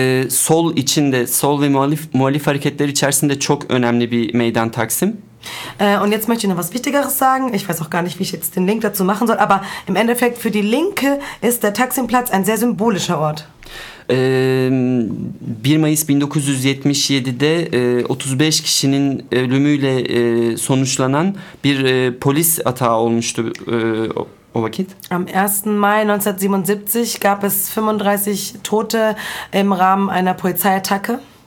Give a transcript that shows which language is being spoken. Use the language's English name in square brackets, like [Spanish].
[Turkish] Sol içinde, sol ve muhalif hareketler içerisinde çok önemli bir meydan Taksim. [German] Und jetzt möchte ich noch was Wichtigeres sagen. Ich weiß auch gar nicht, wie ich jetzt den Link dazu machen soll. Aber im Endeffekt für die Linke ist der Taksimplatz ein sehr symbolischer Ort. [Turkish] 1 Mayıs 1977'de 35 kişinin ölümüyle sonuçlanan bir polis atağı olmuştu o vakit. [German] Am 1. Mai 1977 gab es 35 Tote im Rahmen einer Polizeiattacke.